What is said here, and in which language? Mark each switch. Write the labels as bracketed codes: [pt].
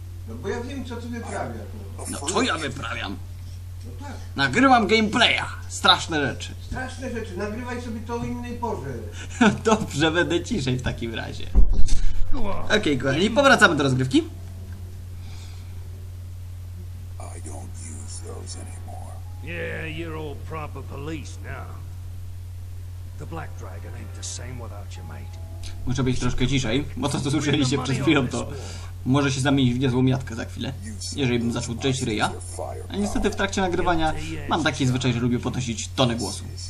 [pl] No bo ja wiem, co ty wyprawiasz. No co ja wyprawiam? No tak. Nagrywam gameplaya. Straszne rzeczy. Straszne rzeczy, nagrywaj sobie to o innej porze. Dobrze, będę ciszej w takim razie. Okej, kochani, powracamy do rozgrywki. [en] I don't use those anymore. Yeah, you're all proper police now. The Black Dragon ain't the same without your mate. [pl] Muszę być troszkę ciszej, bo to co słyszeliście przed chwilą, to może się zamienić w niezłą miatkę za chwilę, jeżeli bym zaczął drzeć ryja. A niestety w trakcie nagrywania mam taki zwyczaj, że lubię podnosić tonę głosu.